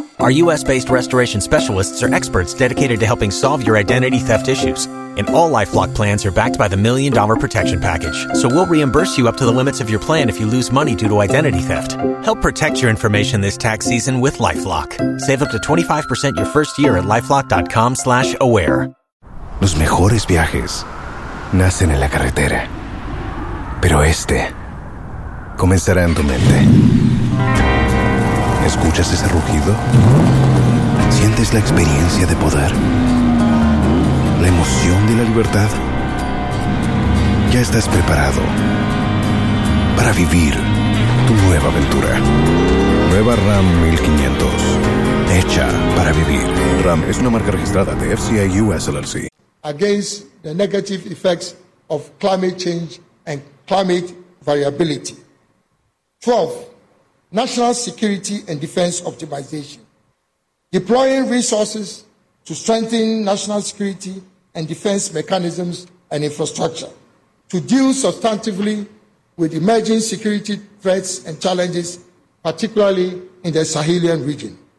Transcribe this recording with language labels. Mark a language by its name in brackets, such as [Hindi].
[English] Our U.S.-based restoration specialists are experts dedicated to helping solve your identity theft issues. And all LifeLock plans are backed by the $1 Million Protection Package. So we'll reimburse you up to the limits of your plan if you lose money due to identity theft. Help protect your information this tax season with LifeLock. Save up to 25% your first year at LifeLock.com/aware. [Spanish] Los mejores viajes nacen en la carretera, pero este comenzará en tu mente. ¿Escuchas ese rugido? ¿Sientes la experiencia de poder? ¿La emoción de la libertad? Ya estás preparado para vivir tu nueva aventura. Nueva Ram 1500, hecha para vivir. Ram es una marca registrada de FCA US LLC. [English] Against the negative effects of climate change and climate variability. 12, national security and defense optimization. Deploying resources to strengthen national security and defense mechanisms and infrastructure to deal substantively with emerging security threats and challenges, particularly in the Sahelian region.